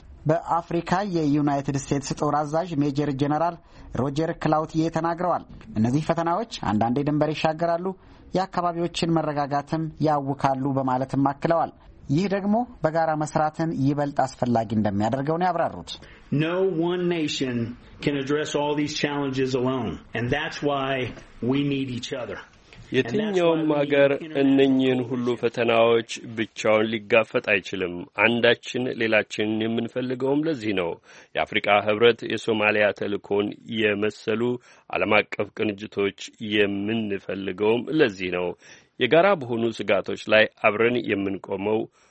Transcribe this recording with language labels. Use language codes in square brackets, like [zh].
[am] በአፍሪካ የዩናይትድ ስቴትስ ጦር አዛዥ ሜጀር ጄኔራል ሮጀር ክላውቲዬ ተናግረዋል። እነዚህ ፈተናዎች አንዳንዴ ድንበር ይሻገራሉ፣ የአካባቢዎችን መረጋጋትም ያውካሉ በማለትም አክለዋል። ይህ ደግሞ በጋራ መስራትን ይበልጥ አስፈላጊ እንደሚያደርገው ነው ያብራሩት። [en] No one nation can address all these challenges alone, and that's why we need each other. [am] የትኛውም አገር እነኚህን ሁሉ ፈተናዎች ብቻውን ሊጋፈጥ አይችልም። አንዳችን ሌላችንን የምንፈልገውም ለዚህ ነው። የአፍሪካ ህብረት የሶማሊያ ተልእኮን የመሰሉ ዓለም አቀፍ ቅንጅቶች የምንፈልገውም ለዚህ ነው። የጋራ በሆኑ ስጋቶች ላይ አብረን የምንቆመው